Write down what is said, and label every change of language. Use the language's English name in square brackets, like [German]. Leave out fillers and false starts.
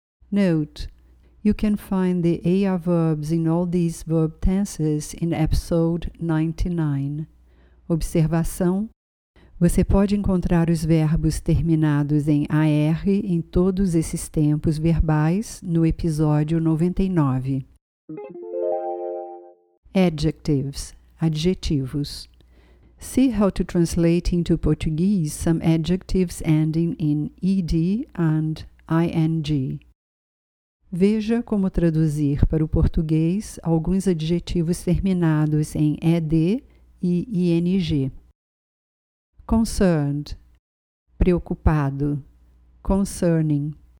[English] Note, you can find the AR verbs in all these verb tenses in episode 99. [Portuguese] Observação: você pode encontrar os verbos terminados em AR em todos esses tempos verbais no episódio 99. [English] Adjectives, adjetivos. See how to translate into Portuguese some adjectives ending in ed and ing. [Portuguese] Veja como traduzir para o português alguns adjetivos terminados em ed e ing. [English] Concerned, preocupado, concerning.